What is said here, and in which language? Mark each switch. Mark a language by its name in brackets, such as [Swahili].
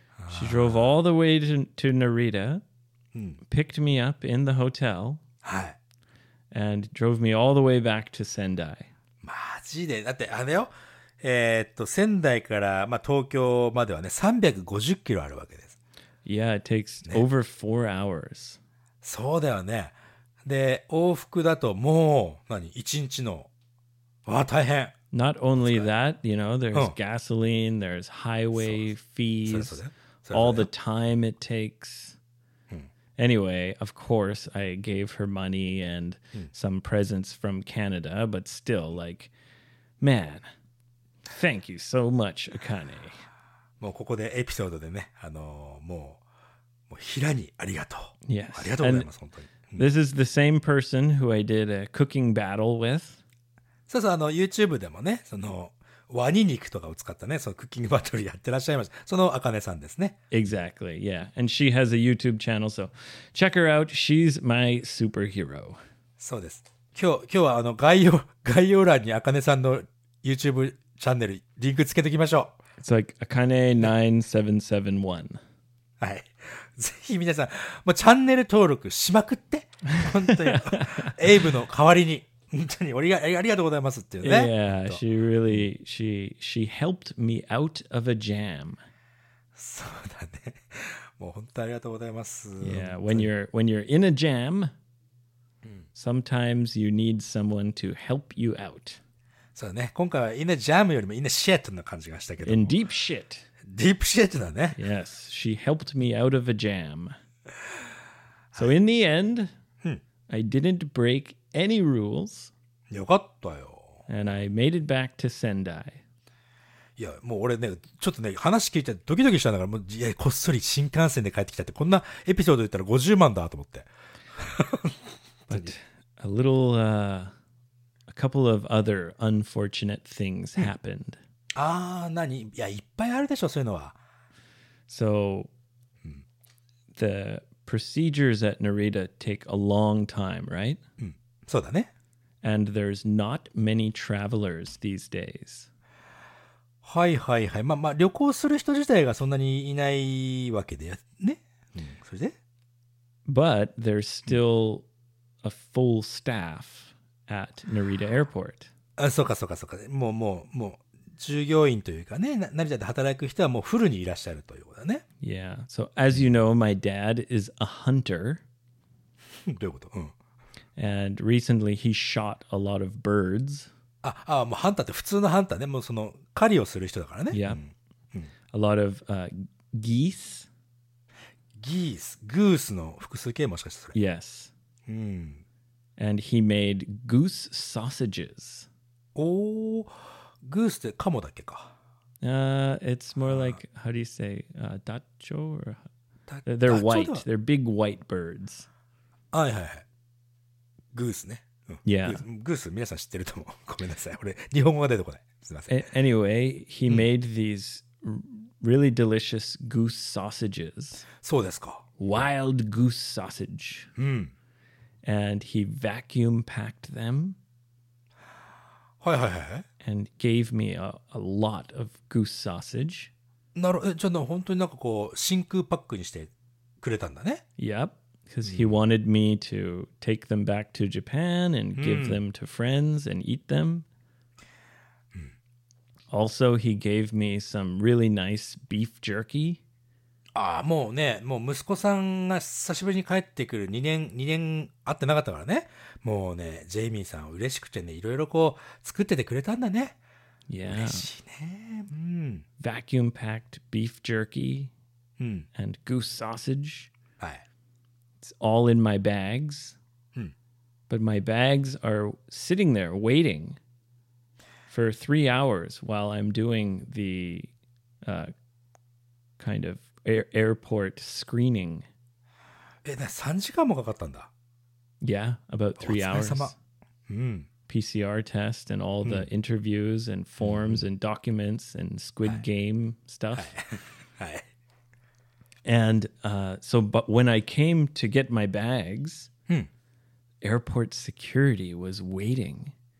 [English] She drove all the way to Narita, picked me up in the hotel, and drove me all the way back to Sendai. [Japanese] マジで、だってあれよ、仙台から、まあ、東京まではね、350キロあるわけです。 [English] Yeah, it takes、ね、over 4 hours. [Japanese] そうだよね。で、往復だともう、何、一日の、わ、大変。 [English] Not only that, you know, there's gasoline, there's highway fees, all the time it takes. Anyway, of course, I gave her money and some presents from Canada, but still, like, man, thank you so much, Akane. [Japanese] もうここでエピソードでね、もう平にありがとう。 [English] Yes. [Japanese] ありがとうございます、 [English] and、 [Japanese] 本当に。 [English] This is the same person who I did a cooking battle with. [Japanese] そうそう、YouTube でもね、ワニ肉とかを使ったね、そのクッキングバトルやってらっしゃいました。そのあかねさんですね。 [English] Exactly, yeah. And she has a YouTube channel, so check her out. She's my superhero. [Japanese] そうです。今日は概要欄にあかねさんの YouTube チャンネル、リンクつけておきましょう。 [English] It's like Akane9771. [Japanese] はい。ぜひ皆さん、もうチャンネル登録しまくって、本当に、エイブの代わりに。本当にありがとうございますっていうね。 [English] Yeah, she really, she helped me out of a jam. [Japanese] そうだね。もう本当にありがとうございます。 [English] Yeah, when you're in a jam, sometimes you need someone to help you out. [Japanese] そうだね。今回は [English] in a jam [Japanese] よりも [English] in a shit [Japanese] の感じがしたけど。 [English] In deep shit. Deep shit だね。 Yes, she helped me out of a jam. So in the end, I didn't break any rules. [Japanese] よかったよ。 [English] And I made it back to Sendai. [Japanese] いや、もう俺ね、ちょっとね、話聞いてドキドキしたんだから、もう、いや、こっそり新幹線で帰ってきたって、こんなエピソード言ったら50万だと思って。 [English] But a little, a couple of other unfortunate things happened. [Japanese] ああ、何？いや、いっぱいあるでしょ、そういうのは。 [English] So, the procedures at Narita take a long time, right? [Japanese] そうだね。 [English] And there's not many travelers these days. [Japanese] はいはいはい。まあ旅行する人自体がそんなにいないわけでね。それで？ [English] But there's still a full staff at Narita Airport. [Japanese] あ、そうかそうかそうか。もう従業員というかね、成田で働く人はもうフルにいらっしゃるということだね。 [English] Yeah. So as you know, my dad is a hunter. [Japanese] どういうこと？うん。 [English] And recently he shot a lot of birds. [Japanese] ああ、もうハンターって普通のハンターね。もうその狩りをする人だからね。 [English] Yeah.、うん、a lot of、geese. [Japanese] Geese. Goose の複数形もしかしてそれ。 [English] Yes.、 [Japanese] うん、 [English] And he made goose sausages. [Japanese] おー、グースってカモだっけか。 [English] It's more like, how do you say, dacho? They're white. They're big white birds. [Japanese] はいはいはい。グースね、うん、 [English] yeah. [Japanese] グース皆さん知ってると思う。ごめんなさい、俺日本語が出てこない、すみません。 [English] Anyway, he made these really delicious goose sausages. [Japanese] そうですか。 [English] Wild goose sausage. [Japanese] うん。 [English] and he vacuum packed them. [Japanese] はいはいはい。 [English] And gave me a lot of goose sausage. [Japanese] なるほど。じゃあな、本当になんかこう真空パックにしてくれたんだね。 [English] Yep, because he wanted me to take them back to Japan and give them to friends and eat them. Also, he gave me some really nice beef jerky. [Japanese] ああ、もうね、もう息子さんが久しぶりに帰ってくる2年会ってなかったからね。もうね、ジェイミーさん嬉しくてね、いろいろこう作っててくれたんだね。 [English] Yeah. [Japanese] 嬉しいね。うん。 [English] Vacuum packed beef jerky and goose sausage. [Japanese] はい。 [English] It's all in my bags. But my bags are sitting there waiting. For 3 hours while I'm doing the kind of airport screening. [Japanese] え、3時間もかかったんだ? [English] Yeah, about 3 hours. PCR test and all the interviews and forms and documents and squid game stuff. And so, but when I came to get my bags, airport security was waiting.